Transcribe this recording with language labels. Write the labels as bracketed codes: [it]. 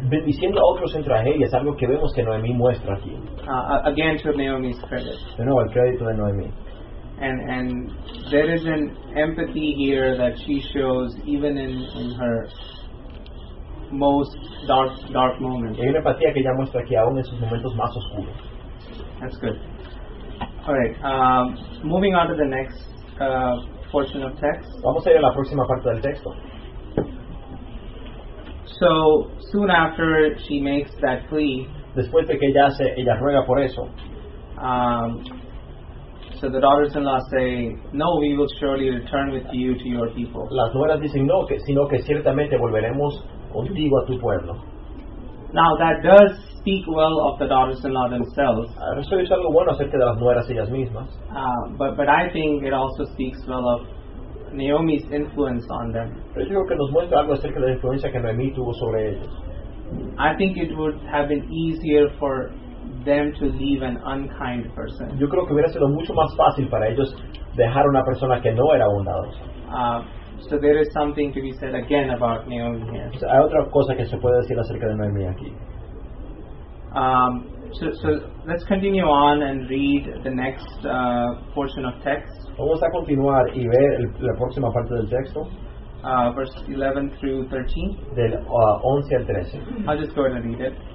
[es] Bendiciendo a otros en tragedia es algo que vemos que Noemí muestra aquí. [en] Again, to Naomi's credit. [es] De nuevo, el crédito de Noemí. [en] And there is an empathy here that she shows even in her most dark moments. [es] Hay una empatía que ella muestra aquí aún en sus momentos más oscuros. [en] That's good. All right. Moving on to the next portion of text. [es] Vamos a ir a la próxima parte del texto. [en] So soon after she makes that plea. [es] Después de que ella hace, ella ruega por eso. [en] So the daughters-in-law say, "No, we will surely return with you to your people." [es] Las nueras dicen no, sino que ciertamente volveremos contigo a tu pueblo. [en] Now that does speak well of the daughters-in-law themselves. [es] Eso es algo bueno acerca de las nueras ellas mismas. [en] But I think it also speaks well of Naomi's influence on them. [es] Pero yo creo que nos muestra algo acerca de la influencia que Noemí tuvo sobre ellos. [en] I think it would have been easier for them to leave an unkind person. [es] Yo creo que hubiera sido mucho más fácil para ellos dejar una persona que no era bondadosa. [en] So there is something to be said again about Naomi here. [es] Hay otra cosa que se puede decir acerca de Noemí aquí. [en] So let's continue on and read the next portion of text. [es] Vamos a continuar y ver la próxima parte del texto. [en] Verse 11 through 13. [es] Del 11 al 13. [en] I'll just go ahead and read it.